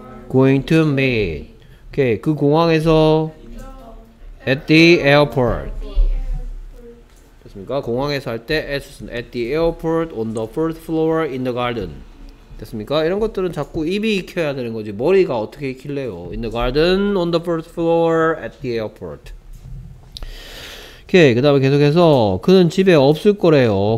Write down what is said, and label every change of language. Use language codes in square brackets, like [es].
[en] Going to meet. [ko] 오케이, 그 공항에서 [en] at the airport. [ko] 됐습니까? 공항에서 할 때 [en] at the airport, on the fourth floor, in the garden. [ko] 됐습니까? 이런 것들은 자꾸 입이 익혀야 되는 거지 머리가 어떻게 익힐래요? [en] In the garden, on the fourth floor, at the airport. [ko] 오케이, 그 다음에 계속해서 그는 집에 없을 거래요.